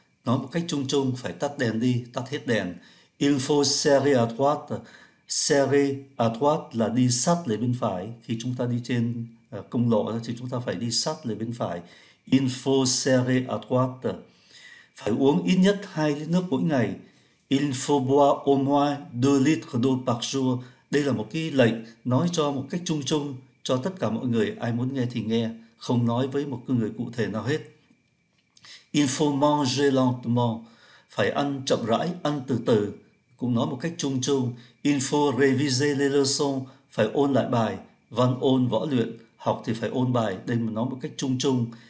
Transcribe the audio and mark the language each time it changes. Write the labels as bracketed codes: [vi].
[vi] Nói một cách chung chung, phải tắt đèn đi, tắt hết đèn. [fr] Il faut serrer à droite. [vi] Serrer à droite là đi sát lề bên phải. Khi chúng ta đi trên công lộ thì chúng ta phải đi sát lề bên phải. [fr] Il faut serrer à droite. [vi] Phải uống ít nhất 2 lít nước mỗi ngày. [fr] Il faut boire au moins 2 litres d'eau par jour. [vi] Đây là một cái lệnh nói cho một cách chung chung cho tất cả mọi người. Ai muốn nghe thì nghe, không nói với một người cụ thể nào hết. [fr] Il faut manger lentement, [vi] phải ăn chậm rãi, ăn từ từ, cũng nói một cách chung chung. [fr] Il faut réviser les leçons, [vi] phải ôn lại bài, văn ôn võ luyện, học thì phải ôn bài, đây mà nói một cách chung chung.